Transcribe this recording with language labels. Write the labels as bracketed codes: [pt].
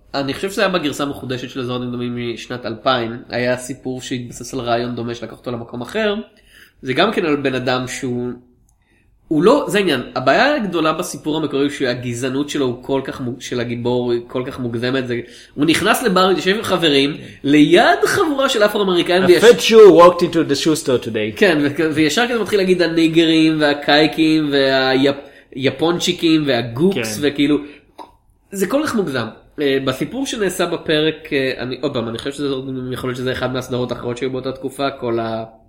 [he] אני חושב שזה היה בגרסה המחודשת של אזורים דומים משנת 2000, היה סיפור שהתבסס על רעיון דומה שלקחתו למקום אחר, זה גם כן על בן אדם שהוא... הוא לא, זה עניין, הבעיה הגדולה בסיפור המקורי שהגזענות שלו הוא כל כך, של הגיבור היא כל כך מוגזמת, הוא נכנס לבר, יושב עם חברים, ליד חבורה של אפרו-אמריקאים, [en] A fat Jew walked into the shoe store today. [he] כן, וישר כזה מתחיל להגיד הניגרים והקייקים והיפונצ'יקים והגוקס, וכאילו, זה כל כך מוגזם. בסיפור שנעשה בפרק, עוד פעם, אני חושב שזה יכול להיות שזה אחד מהסדרות האחרות שהיו באותה תקופה, כל ה...